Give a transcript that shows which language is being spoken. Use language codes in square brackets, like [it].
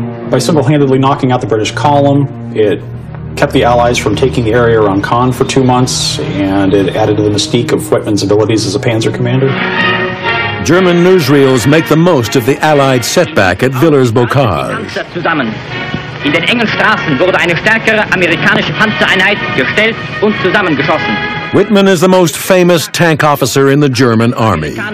[en] By single-handedly knocking out the British column, it kept the Allies from taking the area around Caen for 2 months, and it added to the mystique of Whitman's abilities as a panzer commander. German newsreels make the most of the Allied setback at Villers-Bocage. [de] In den engen Straßen wurde eine stärkere amerikanische Panzereinheit gestellt und zusammengeschossen. [en] Whitman is the most famous tank officer in the German army.